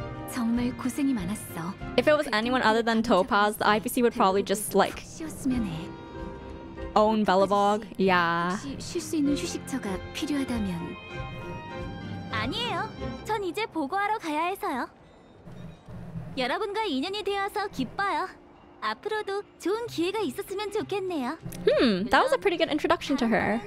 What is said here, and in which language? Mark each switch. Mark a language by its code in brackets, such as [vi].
[ko] 정말 고생이 많았어. [en] If it was anyone other than Topaz, the IPC would probably just like own Belobog. Yeah. [ko] 쉴 수 있는 휴식처가 필요하다면. 아니에요. 전 이제 보고하러 가야 해서요. 여러분과 인연이 되어서 기뻐요. 앞으로도 좋은 기회가 있었으면 좋겠네요. [en] Hmm, that was a pretty good introduction to her.